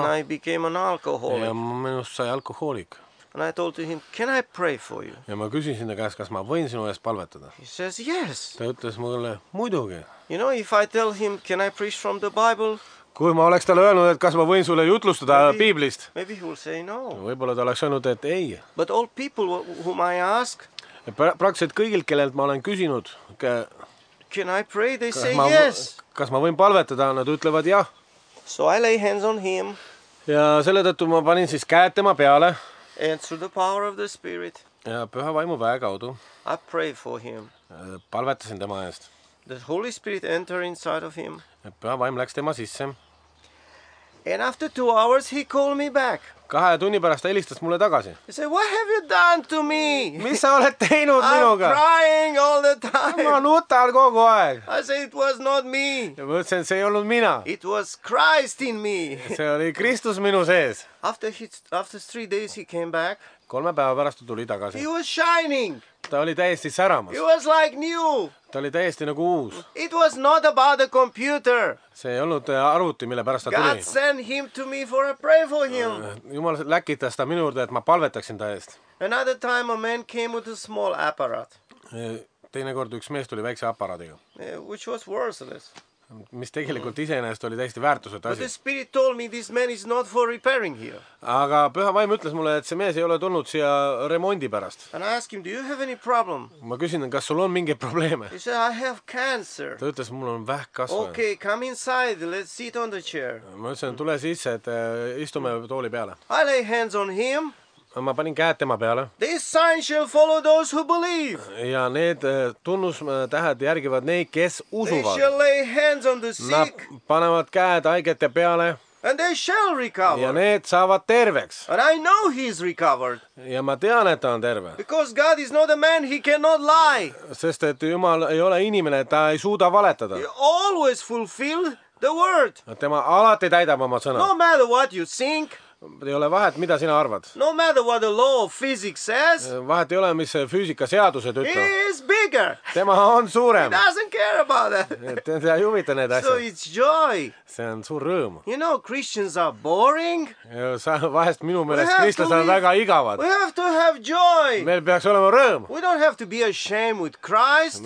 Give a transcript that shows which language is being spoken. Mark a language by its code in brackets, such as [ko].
[en] And I became an alcoholic. [et] Ja ma minust sai alkoholik. [en] And I told to him, can I pray for you? [et] Ja ma küsisin ta käest, kas ma võin sinu eest palvetada. [en] He says, yes. [et] Ta ütles mulle, muidugi. [en] You know, if I tell him, can I preach from the Bible? [et] Kui ma oleks talle öelnud, et kas ma võin sulle jutlustada [en] maybe, [et] Biiblist. [en] Maybe he will say no. [et] Võibolla ta oleks öelnud, et ei. [en] But all people whom I ask. [et] Praktiselt kõigilt, kellelt ma olen küsinud. [en] Can I pray? They say yes. [et] Kas ma võin palvetada? Nad ütlevad jah. [en] So I lay hands on him. [et] Ja selle tõttu ma panin siis käed tema peale. [en] And through the power of the Spirit. [et] Ja püha vaimu väe kaudu. [en] I pray for him. [et] Palvetasin tema eest. [en] The Holy Spirit enter inside of him. [et] Ja püha vaim läks tema sisse. [en] And after 2 hours he called me back. [et] 2 tunni pärast ta helistas mulle tagasi. [en] He said, what have you done to me? [et] Mis sa oled teinud minuga? [en] I'm crying all the time. [et] Ma nutan kogu aeg. [en] I said, it was not me. [et] Ja mõtlesin, see ei olnud mina. [en] It was Christ in me. [et] See oli Kristus minu sees. [en] After 3 days he came back. [et] 3 päeva pärast ta tuli tagasi. [en] He was shining. [et] Ta oli täiesti säramas. [en] It was like new. [et] Ta oli täiesti nagu uus. [en] It was not about the computer. [et] See ei olnud arvuti, mille pärast ta [en] God [et] tuli. [en] God sent him to me for a pray for him. [et] Jumal läkitas ta minu juurde, et ma palvetaksin ta eest. [en] Another time a man came with a small apparat. [et] Teine kord üks mees tuli väikse aparaadiga. [en] Which was worthless. [et] Mis tegelikult iseenäest oli täiesti väärtuset asi. [en] But the Spirit told me this man is not for repairing here. [et] Aga püha vaim ütles mulle, et see mees ei ole tulnud siia remondi pärast. [en] And I asked him, do you have any problem? [et] Ma küsin, kas sul on mingi probleeme? [en] He said, I have cancer. [et] Ta ütles, mul on vähk kasvanud. [en] Okay, come inside, let's sit on the chair. [et] Ma ütlesin, tule sisse, et istume tooli peale. [en] I lay hands on him. [et] Ma panin käed tema peale. [en] This sign shall follow those who believe. [et] Ja need tunnustähed järgivad neid, kes usuvad. [en] They shall lay hands on the sick. [et] Nad panevad käed haigete peale. [en] And they shall recover. [et] Ja need saavad terveks. [en] And I know he is recovered. [et] Ja ma tean, et ta on terve. [en] Because God is not a man, he cannot lie. [et] Sest et Jumal ei ole inimene, ta ei suuda valetada. [en] He always fulfill the word. [et] Tema alati täidab oma sõna. [en] No matter what you think. [et] Ei ole vahet, mida sina arvad. [en] No matter what the law of physics says. [et] Vahet ei ole, mis füüsika seadused ütlevad. [en] He is bigger. [et] Tema on suurem. [en] He doesn't care about that. [et] Ta ei huvita need asjad. [en] So it's joy. [et] See on suur rõõm. [en] You know, Christians are boring. [et] Vahest minu meelest kristlased on väga igavad. [en] We have to have joy. [et] Meil peaks olema rõõm. [en] We don't have to be ashamed with Christ.